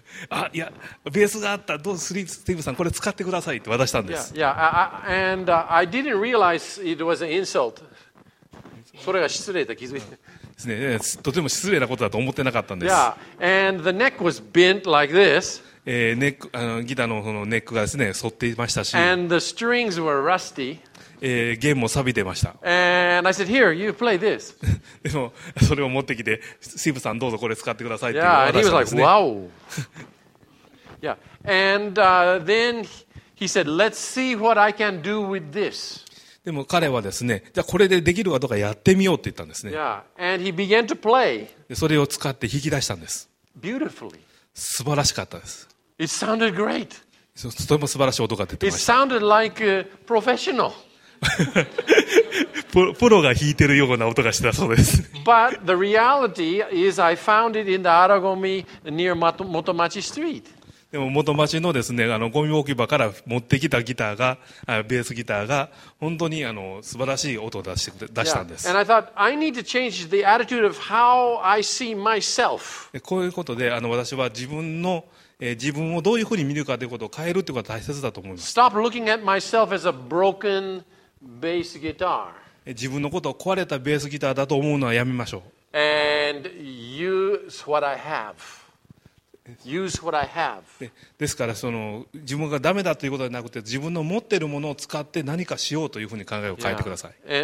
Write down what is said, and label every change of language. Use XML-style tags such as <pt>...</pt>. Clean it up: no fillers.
<ja>あ、いや、ベースがあった。どうする、スティーブさん、これ使ってくださいって渡したんです。</ja> <en>Yeah, yeah. And I didn't realize it was an insult.</en> <ja>それが失礼だ、気づいて。ですね。とても失礼なことだと思ってなかったんです。</ja> <en>Yeah. And the neck was bent like this.</en> <ja>ギターのそのネックがですね、反っていましたし。</ja> <en>And the strings were rusty.</en> <ja>弦も錆びてました。</ja> <en>And I said, here, you play this.</en> <ja>でもそれを持ってきて、スティーブさんどうぞこれ使ってくださいって言われたんですね。</ja> <en>Yeah, and he was like, wow. Yeah. And then he said, let's see what I can do with this.</en> <ja>でも彼はですね、じゃあこれでできるかどうかやってみようって言ったんですね。</ja> <en>Yeah. And he began to play.</en> <ja>でそれを使って弾き出したんです。</ja> <en>Beautifully.</en> <ja>素晴らしかったです。</ja> <en>It sounded great.</en> <ja>とても素晴らしい音が出てました。</ja> <en>It sounded like a professional.</en> <ja>プロが弾いてるような音がしたそうです。</ja> <en>But the reality is I found it in the Aragomi near Motomachi Street.</en> <ja>でも元町のですね、ゴミ置き場から持ってきたギターが、ベースギターが本当に素晴らしい音を出したんです。</ja> <en>And I thought, I need to change the attitude of how I see myself.</en> <ja>こういうことで私は自分をどういうふうに見るかということを変えるということが大切だと思います。</ja> <en>Stop looking at myself as a broken bass guitar.</en> <ja>自分のことを壊れたベースギターだと思うのはやめましょう。</ja> <en>And use what I have. Use what I have.</en> <ja>ですから自分がダメだということではなくて自分の持っているものを使って何かしようというふうに考えを変えてください。</ja>